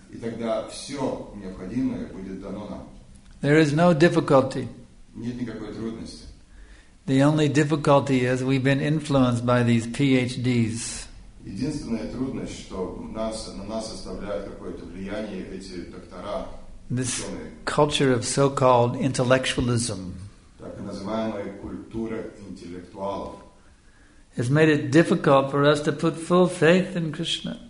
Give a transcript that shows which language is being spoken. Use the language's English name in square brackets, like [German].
[Russian] И тогда все необходимое будет дано нам. [English] There is no difficulty. [Russian] Нет никакой трудности. [English] The only difficulty is we've been influenced by these PhDs. [Russian] Единственная трудность, что на нас оставляет какое-то влияние эти доктора. [English] This culture of so-called intellectualism. [Russian] Так называемая культура интеллектуалов. [English] Has made it difficult for us to put full faith in Krishna.